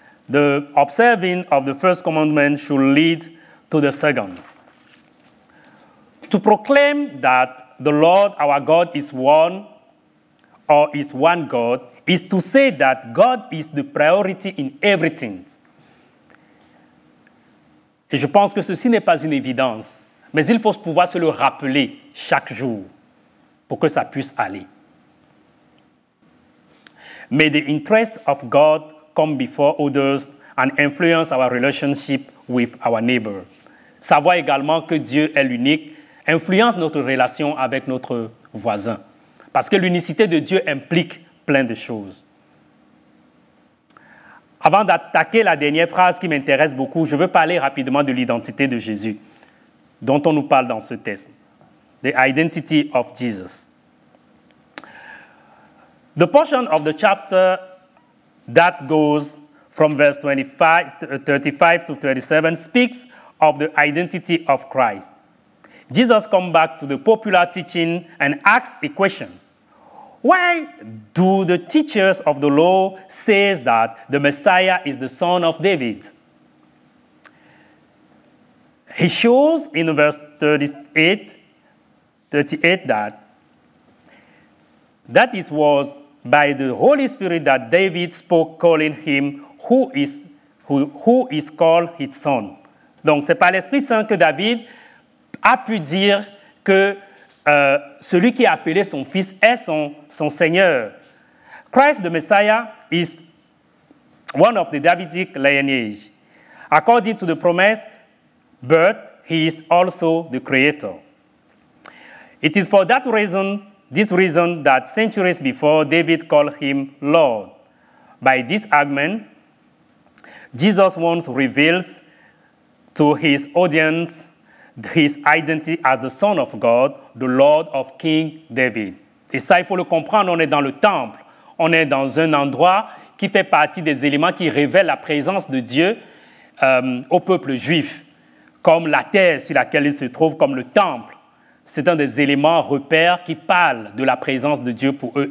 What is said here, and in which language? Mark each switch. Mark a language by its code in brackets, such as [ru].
[en] The observing of the first commandment should lead to the second. To proclaim that the Lord our God is one God is to say that God is the priority in everything. [fr] Et je pense que ceci n'est pas une évidence, mais il faut pouvoir se le rappeler chaque jour pour que ça puisse aller. [en] May the interest of God come before others and influence our relationship with our neighbor. [fr] Savoir également que Dieu est l'unique influence notre relation avec notre voisin. Parce que l'unicité de Dieu implique plein de choses. Avant d'attaquer la dernière phrase qui m'intéresse beaucoup, je veux parler rapidement de l'identité de Jésus, dont on nous parle dans ce texte. [en] The identity of Jesus. The portion of the chapter that goes from verse 35 to 37 speaks of the identity of Christ. Jesus comes back to the popular teaching and asks a question. Why do the teachers of the law say that the Messiah is the son of David? He shows in verse 38 that it was by the Holy Spirit that David spoke calling him who is called his son. Donc, c'est par l'Esprit Saint que David a pu dire que celui qui a appelé son fils est son Seigneur. Christ the Messiah is one of the Davidic lineage. According to the promise, but he is also the Creator. It is for this reason that centuries before David called him Lord. By this argument, Jesus once reveals to his audience his identity as the Son of God, the Lord of King David. [fr] Et ça, il faut le comprendre, on est dans le temple, on est dans un endroit qui fait partie des éléments qui révèlent la présence de Dieu au peuple juif, comme la terre sur laquelle il se trouve, comme le temple. C'est un des éléments repères qui parlent de la présence de Dieu pour eux.